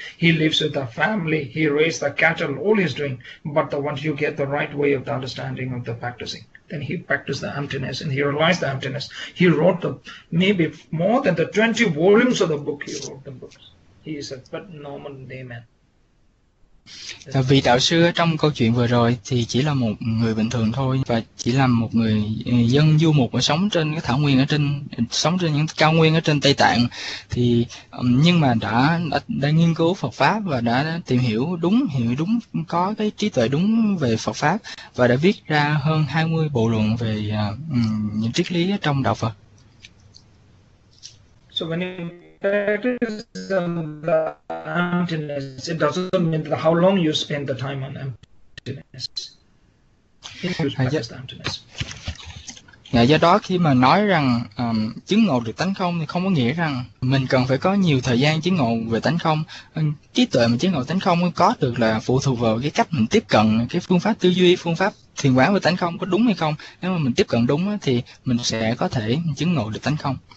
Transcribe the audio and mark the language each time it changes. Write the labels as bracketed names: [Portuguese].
[English] He lives with a family, he raised the cattle, all he's doing. But once you get the right way of the understanding of the practicing, then he practiced the emptiness and he realized the emptiness. He wrote the maybe more than the 20 volumes of the book, he wrote the books. He is a but normal layman. [Vietnamese] Vị đạo sư ở trong câu chuyện vừa rồi thì chỉ là một người bình thường thôi, và chỉ là một người dân du mục và sống trên cái thảo nguyên ở trên sống trên những cao nguyên ở trên Tây Tạng. Thì nhưng mà đã nghiên cứu Phật pháp và đã tìm hiểu đúng, có cái trí tuệ đúng về Phật pháp, và đã viết ra hơn 20 bộ luận về những triết lý ở trong đạo Phật. [English] So when you practice the emptiness, it doesn't mean how long you spend the time on emptiness. If you practice the emptiness. [Vietnamese] Do đó khi mà nói rằng chứng ngộ được tánh không thì không có nghĩa rằng mình cần phải có nhiều thời gian chứng ngộ về tánh không. Trí tuệ mà chứng ngộ tánh không có được là phụ thuộc vào cái cách mình tiếp cận cái phương pháp tư duy, phương pháp thiền quán về tánh không có đúng hay không. Nếu mà mình tiếp cận đúng thì mình sẽ có thể chứng ngộ được tánh không.